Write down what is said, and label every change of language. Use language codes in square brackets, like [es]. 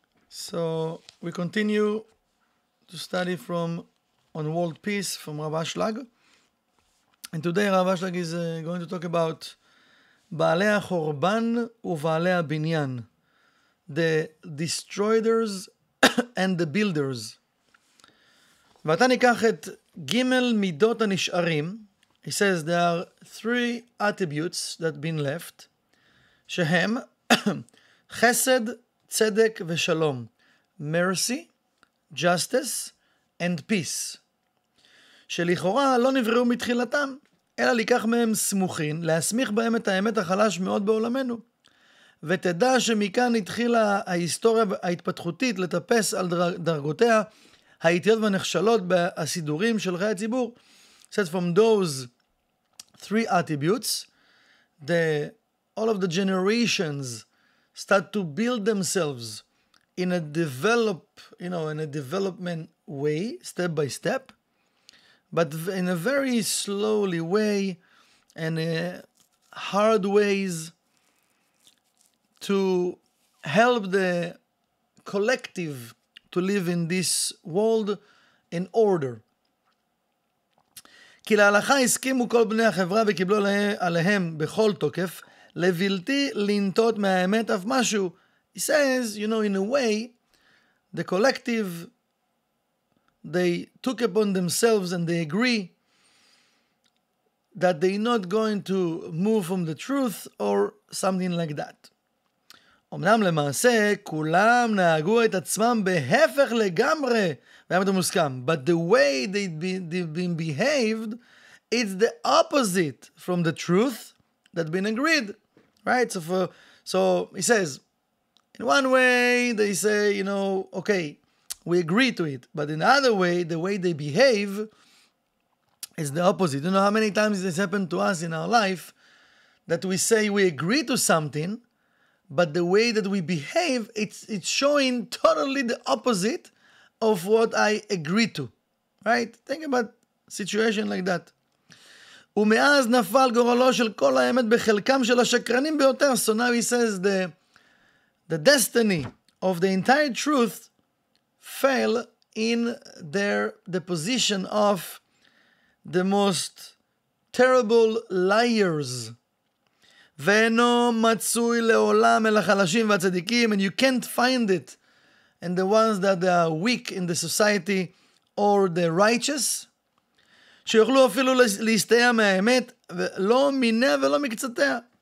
[en] So we continue to study from On World Peace from Rav Ashlag. And today Rav Ashlag is going to talk about [he] Baalei HaChorban uVaalei HaBinyan, [en] the destroyers and the builders. [he] ואתה ניקח את גימל מידות הנשארים. [en] He says there are three attributes that been left, [he] שהם חסד, צדק ושלום, [en] mercy, justice, and peace, [he] שלכאורה לא נבראו מתחילתם, אלא לקח מהם סמוכין, להסמיך בהם את האמת החלש מאוד בעולמנו. ותדע שמכאן התחילה ההיסטוריה ההתפתחותית לטפס על דרגותיה, האיטיות והנכשלות בסידורים של חיי הציבור. [en] Said from those three attributes, all of the generations start to build themselves in a development way, step by step, but in a very slowly way and hard ways to help the collective to live in this world in order. [he] כי להלכה הסכימו כל בני החברה וקיבלו עליהם בכל תוקף, לבלתי לנטות מהאמת אף משהו. [en] He says, you know, in a way, the collective, they took upon themselves and they agree that they're not going to move from the truth or something like that. [he] אמנם למעשה, כולם נהגו את עצמם בהפך לגמרי, באמת המוסכם. [en] But the way they've been behaved, it's the opposite from the truth that's been agreed. Right? So he says, in one way, they say, you know, okay, we agree to it. But in another way, the way they behave is the opposite. You know how many times this happened to us in our life, that we say we agree to something, but the way that we behave, it's showing totally the opposite of what I agree to. Right? Think about situation like that. [he] ומאז נפל גורלו של כל האמת בחלקם של השקרנים ביותר. [en] So now he says the destiny of the entire truth fell in the position of the most terrible liars. [he] ואינו מצוי לעולם אל החלשים והצדיקים, [en] and you can't find it in the ones that are weak in the society or the righteous, [he] שיוכלו אפילו להסתייע מהאמת, ולא מיניה ולא מקצתיה.